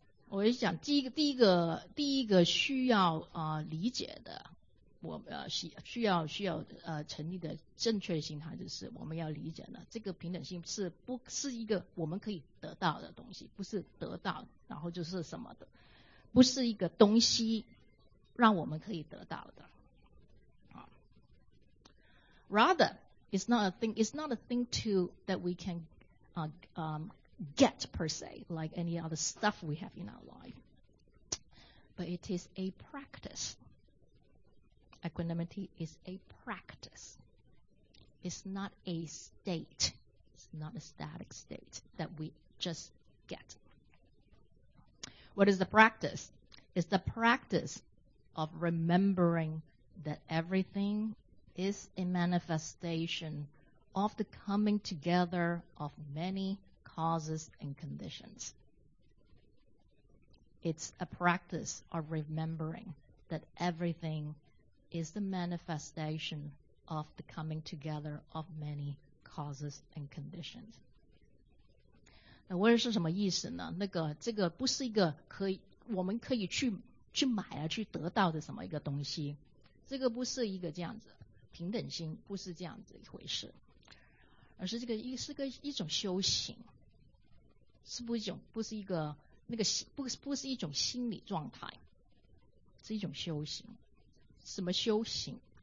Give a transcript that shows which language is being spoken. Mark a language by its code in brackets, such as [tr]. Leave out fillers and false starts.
[zh] 我就想第一个需要啊理解的，需要成立的正确心态，就是我们要理解呢，这个平等心不是一个我们可以得到的东西，不是得到，然后就是什么的，不是一个东西让我们可以得到的。 [en] Rather, it's not a thing that we can get per se, like any other stuff we have in our life. But it is a practice. Equanimity is a practice. It's not a state. It's not a static state that we just get. What is the practice? It's the practice of remembering that everything is a manifestation of the coming together of many causes and conditions. It's a practice of remembering that everything is the manifestation of the coming together of many causes and conditions. [zh] 那我也是什么意思呢？那个这个不是一个可以我们可以去买啊去得到的什么一个东西，这个不是一个这样子。平等心不是这样子一回事，而是这个是一种修行，不是一种心理状态，是一种修行。什么修行？